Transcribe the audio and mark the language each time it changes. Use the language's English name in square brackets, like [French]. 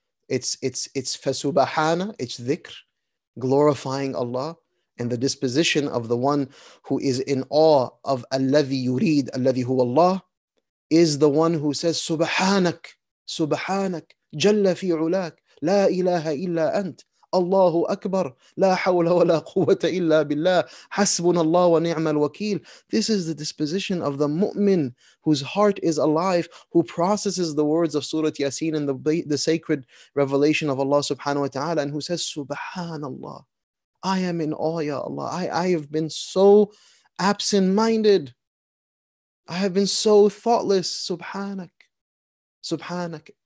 [English] It's fasubahana, it's dhikr, glorifying Allah, and the disposition of the one who is in awe of alladhi yurid, alladhi huwa Allah, is the one who says subhanak, subhanak, [Arabic] جل في علاك لا إله إلا أنت الله أكبر لا حول ولا قوة إلا بالله حسبنا الله ونعم الوكيل. [English] This is the disposition of the mu'min whose heart is alive, who processes the words of Surah Yasin and the sacred revelation of Allah subhanahu wa ta'ala, and who says Subhanallah, I am in awe, Ya Allah. I have been so absent-minded. I have been so thoughtless. Subhanak. Subhanak.